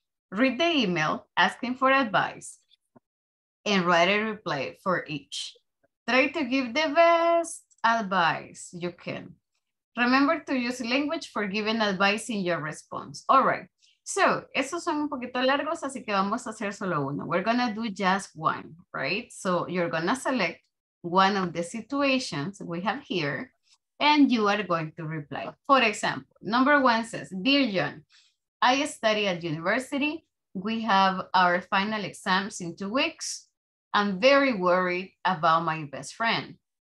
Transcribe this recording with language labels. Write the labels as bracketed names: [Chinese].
[English] Read the email asking for advice and write a reply for each. Try to give the best advice you can. Remember to use language for giving advice in your response. All right. [Spanish] So, esos son un poquito largos, así que vamos a hacer solo uno. [English] We're going to do just one, right? So, you're going to select one of the situations we have here, and you are going to reply. For example, number one says, Dear John, I study at university. We have our final exams in 2 weeks. I'm very worried about my best friend.